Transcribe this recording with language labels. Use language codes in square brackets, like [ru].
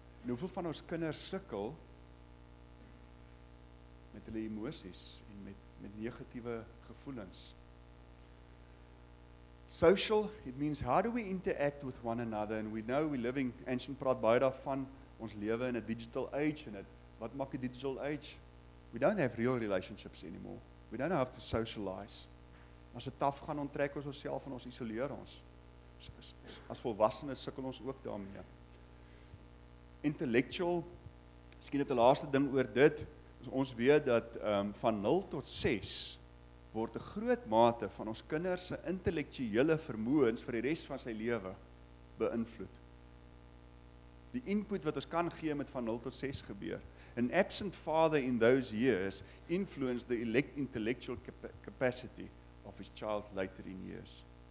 [af] En hoeveel van ons kinders sukkel met hulle emosies en met negatiewe gevoelens? [en] Social, it means how do we interact with one another? And we know we're living, Anshin praat baie daarvan, ons lewe in a digital age. [af] En wat maak 'n digital age? [en] We don't have real relationships anymore. We don't have to socialize. [af] As dit taf gaan, onttrek ons onsself en ons isoleer ons. As volwassenes sukkel ons ook daarmee. Intellectual, miskien het 'n laaste ding oor dit, ons weet dat van 0 tot 6 word 'n groot mate van ons kinders se intellektuele vermoëns vir die res van sy lewe beïnvloed. Die input wat ons kan gee met van 0 tot 6 gebeur. [en] An absent father in those years influenced the intellectual capacity of his child later in years.